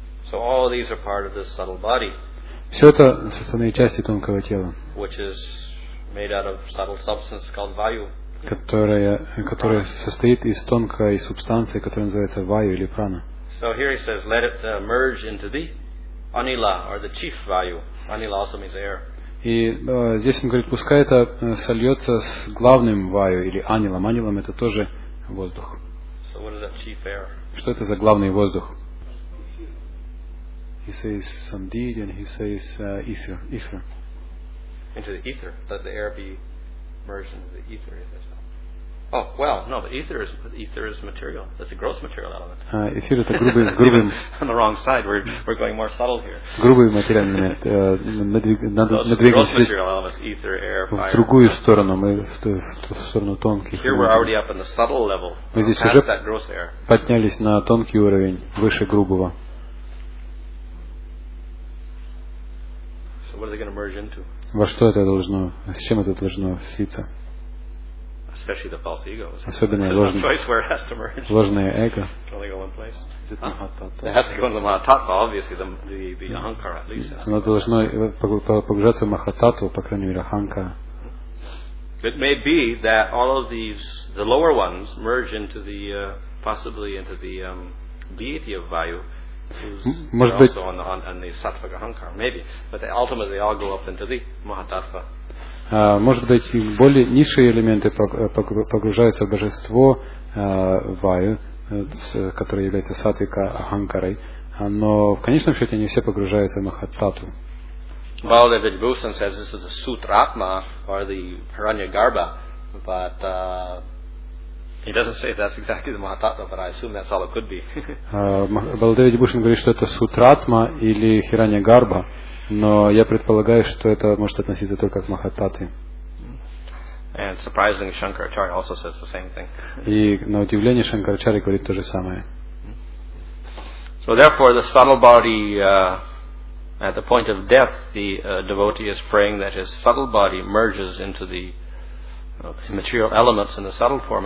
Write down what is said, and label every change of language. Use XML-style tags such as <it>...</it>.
<en>So all these are part of this subtle body,</en> <ru>все это составные части тонкого тела,</ru> <en>which is made out of subtle substance called vayu.</en> <ru>Которая состоит из тонкой субстанции, которая называется vayu или prana.</ru> <en>So here he says, let it merge into the anila or the chief vayu. Anila also means air.</en> <ru>И здесь он говорит, пускай это сольется с главным vayu или анилом. Анилом это тоже воздух.</ru> <en>So what is that chief air?</en> <ru>Что это за главный воздух?</ru> <en>He says some deed and he says ether. Into the ether, let the air be merged into the ether. Oh, well, no, but ether is material. That's a gross material element.</en> <ru>Ether это грубый.</ru> <en>On the wrong side, we're going more subtle here.</en> <ru>Грубый материальный элемент.</ru> <en>Gross material elements, ether, air, fire.</en> <ru>В другую сторону, мы в ту сторону тонких.</ru> <en>Here we're already up in the subtle level.</en> <ru>Мы здесь уже поднялись на тонкий уровень, выше грубого.</ru> <en>So what are they going to merge into?</en> <ru>Во что это должно, с чем это должно слиться?</ru> <en>Especially the false ego.</en> <ru>Особенно ложное эго.</ru> <en>It has to go into the Mahatattva, obviously, the Ahankara, at least.</en> <ru>Оно должно погружаться в Mahatattva, по крайней мере, Ahankara.</ru> <en>It may be that all of these, the lower ones, merge into the, possibly into the deity of Vayu, who's also on the Sattva Ahankara, maybe. But they ultimately all go up into the Mahatattva.</en> <ru>Может быть, более низшие элементы погружаются в божество Ваю, которое является сатвика Аханкарой, но в конечном счете они все погружаются в Махатату.</ru> <en>Баладев Видибхушан says this is the Sutratma or the Hiranyagarbha, but he doesn't say that's exactly the Mahatattva, but I assume that's all it could be.</en> <ru>Баладев Видибхушан говорит, что это Сутратма или Хираньягарбха. Но я предполагаю, что это может относиться только к Махататы.</ru> <en>And surprisingly, Shankaracharya also says the same thing.</en> <ru>И на удивление Шанкарачарья говорит то же самое.</ru> <en>So therefore, the subtle body, at the point of death, the devotee is praying that his subtle body merges into the material elements in the subtle form.</en>